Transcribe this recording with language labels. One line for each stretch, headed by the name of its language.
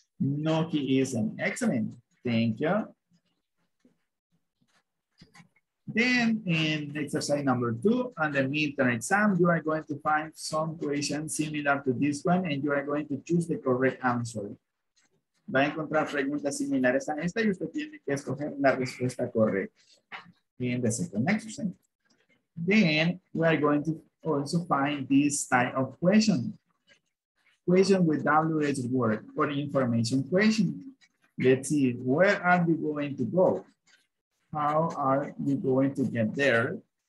English: No, he isn't. Excellent. Thank you. Then in exercise number 2, on the midterm exam, you are going to find some questions similar to this one and you are going to choose the correct answer.
Spanish: Va a encontrar preguntas similares a esta y usted tiene que escoger la respuesta correcta.
English: In the second exercise. Then we are going to also find this type of question. Question with WH word or information question. Let's see, where are you going to go? How are you going to get there?